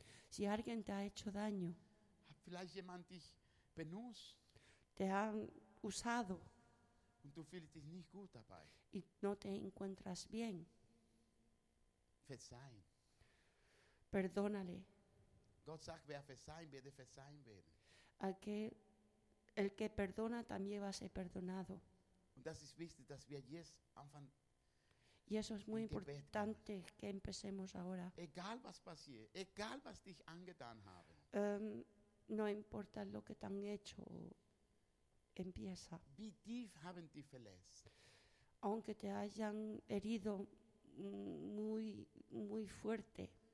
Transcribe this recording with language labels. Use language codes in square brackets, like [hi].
[es] Si alguien te ha hecho daño, [de] vielleicht jemand dich benutzt. [es] Te han usado. [de] Und du fühlst dich nicht gut dabei. [es] Y no te encuentras bien. [de] Verzeihen. [es] Perdónale. [de] Gott sagt, wer verzeihen wird, verzeihen werden. [es] El que perdona también va a ser perdonado. [de] Und das ist wichtig, dass wir jetzt anfangen. [es] Y eso es muy importante que empecemos ahora. [de] Egal was passiert, egal was dich angetan haben. [es] No importa lo que te han hecho, empieza. [de] Wie tief haben die verletzt? [es] Aunque te hayan herido muy, muy fuerte,